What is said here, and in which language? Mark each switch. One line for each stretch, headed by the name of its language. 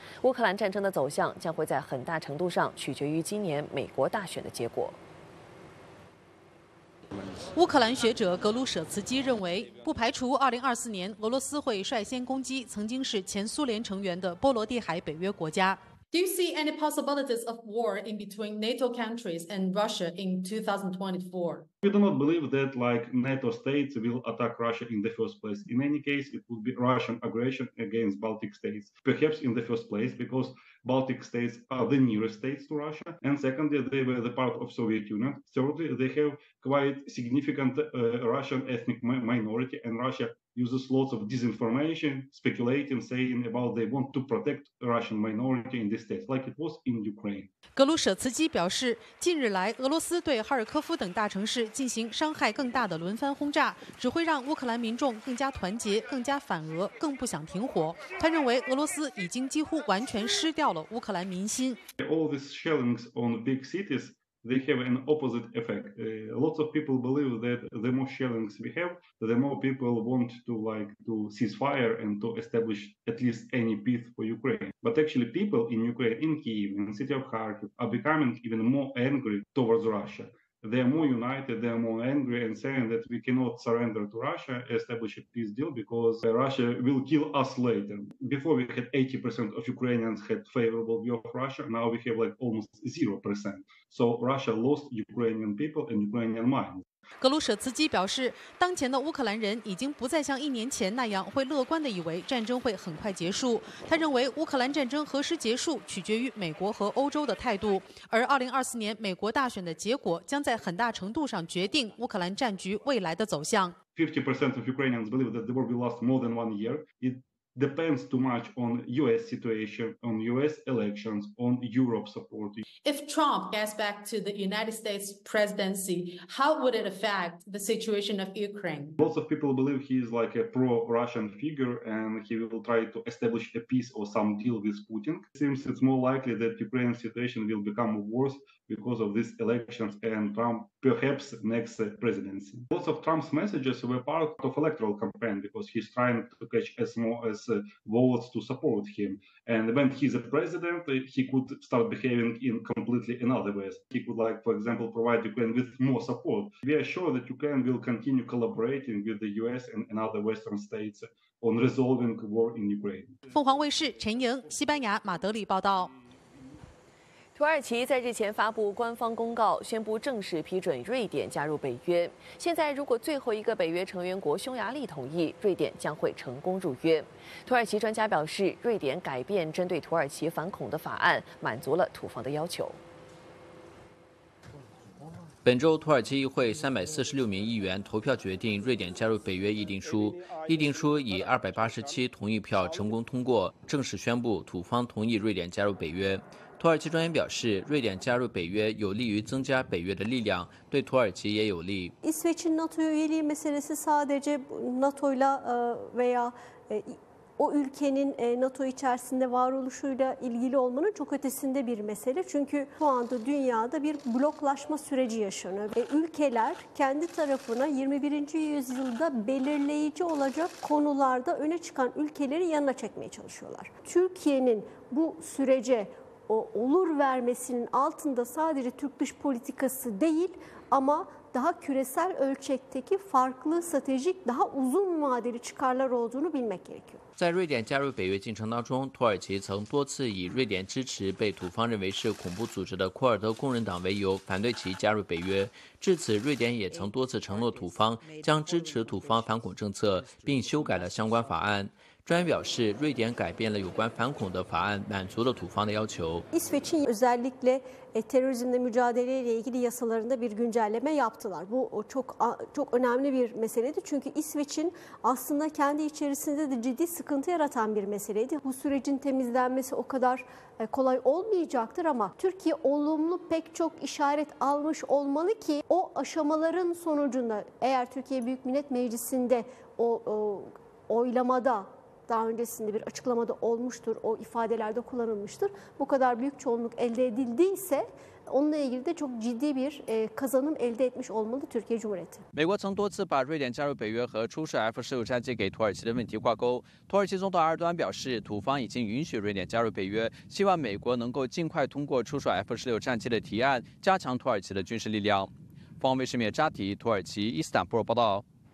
Chinese: 乌克兰战争的走向将会在很大程度上取决于今年美国大选的结果。乌克兰学者格鲁舍茨基认为，不排除2024年俄罗斯会率先攻击曾经是前苏联成员的波罗的海北约国家。
English: Do you see any possibilities of war in between NATO countries and Russia in 2024? We do not believe that like NATO states will attack Russia in the first place. In any case, it would be Russian aggression against Baltic states, perhaps in the first place, because Baltic states are the nearest states to Russia, and secondly, they were the part of Soviet Union. Thirdly, they have quite significant Russian ethnic minority, and Russia uses lots of disinformation, speculating, saying about they want to protect Russian minority in these states, like it was in Ukraine.
Chinese: 格鲁舍茨基表示，近日来俄罗斯对哈尔科夫等大城市进行伤害更大的轮番轰炸，只会让乌克兰民众更加团结，更加反俄，更不想停火。他认为俄罗斯已经几乎完全失掉了乌克兰民心。
English: All these shellings on big cities, they have an opposite effect. Lots of people believe that the more shellings we have, the more people want to like to cease fire and to establish at least any peace for Ukraine. But actually people in Ukraine, in Kyiv, in the city of Kharkiv, are becoming even more angry towards Russia. They are more united, they are more angry and saying that we cannot surrender to Russia, establish a peace deal, because Russia will kill us later. Before we had 80% of Ukrainians had favorable view of Russia, now we have like almost 0%. So Russia lost Ukrainian people and Ukrainian minds.
Chinese: 格鲁舍茨基表示，当前的乌克兰人已经不再像一年前那样会乐观地以为战争会很快结束。他认为乌克兰战争何时结束取决于美国和欧洲的态度，而2024年美国大选的结果将在很大程度上决定乌克兰战局未来的走向。
English: 50% of Ukrainians believe that the war will last more than 1 year. It depends too much on US situation, on US elections, on Europe support. If Trump gets back to the United States presidency, how would it affect the situation of Ukraine? Lots of people believe he is like a pro-Russian figure and he will try to establish a peace or some deal with Putin. It seems it's more likely that Ukraine's situation will become worse because of these elections and Trump perhaps next presidency. Lots of Trump's messages were part of electoral campaign because he's trying to catch as more as votes to support him. And when he's a president, he could start behaving in completely another ways. He could like, for example, provide Ukraine with more support. We are sure that Ukraine will continue collaborating with the US and other Western states on resolving war in Ukraine.
Chinese: 凤凰卫视陈莹，西班牙马德里报道。土耳其在日前发布官方公告，宣布正式批准瑞典加入北约。现在如果最后一个北约成员国匈牙利同意，瑞典将会成功入约。土耳其专家表示，瑞典改变针对土耳其反恐的法案，满足了土方的要求。本周土耳其议会346名议员投票决定瑞典加入北约议定书，议定书以287同意票成功通过，正式宣布土方同意瑞典加入北约。土耳其专员表示，瑞典加入北约有利于增加北约的力量，对土耳其也有利。
Turkish: İsveç'in NATO üyeliği meselesi sadece NATO'yla veya o ülkenin NATO içerisinde varoluşuyla ilgili olmanın çok ötesinde bir mesele. Çünkü şu anda dünyada bir bloklaşma süreci yaşanıyor. Ülkeler kendi tarafına 21. yüzyılda belirleyici olacak konularda öne çıkan ülkeleri yanına çekmeye çalışıyorlar. Türkiye'nin bu sürece o olur vermesinin altında sadece Türk dış politikası değil ama daha küresel ölçekteki farklı stratejik daha uzun vadeli çıkarlar olduğunu bilmek gerekiyor.
Chinese: 在瑞典加入北约进程当中，土耳其曾多次以瑞典支持被土方认为是恐怖组织的库尔德工人党为由反对其加入北约。至此，瑞典也曾多次承诺土方将支持土方反恐政策，并修改了相关法案。专员表示，瑞典改变了有关反恐的法案，满足了土方的要求。
Turkish: İsveç'in özellikle terörizmle mücadeleyle ilgili yasalarında bir güncelleme yaptılar. Bu çok çok önemli bir meseleydi. Çünkü İsveç'in aslında kendi içerisinde de ciddi sıkıntı yaratan bir meseleydi. Bu sürecin temizlenmesi o kadar kolay olmayacaktır ama Türkiye olumlu pek çok işaret almış olmalı ki o aşamaların sonucunda eğer Türkiye Büyük Millet Meclisi'nde oylamada daha öncesinde bir açıklamada olmuştur, o ifadelerde kullanılmıştır. Bu kadar büyük çoğunluk elde edildiyse onunla ilgili de çok ciddi bir kazanım elde etmiş olmalı Türkiye Cumhuriyeti.
Chinese: 美国曾多次把瑞典加入北约和出售 F-16 战机给土耳其的问题挂钩。土耳其总统埃尔多安表示，土方已经允许瑞典加入北约，希望美国能够尽快通过出售 F-16 战机的提案，加强土耳其的军事力量。凤凰卫视扎提，土耳其伊斯坦布尔报道。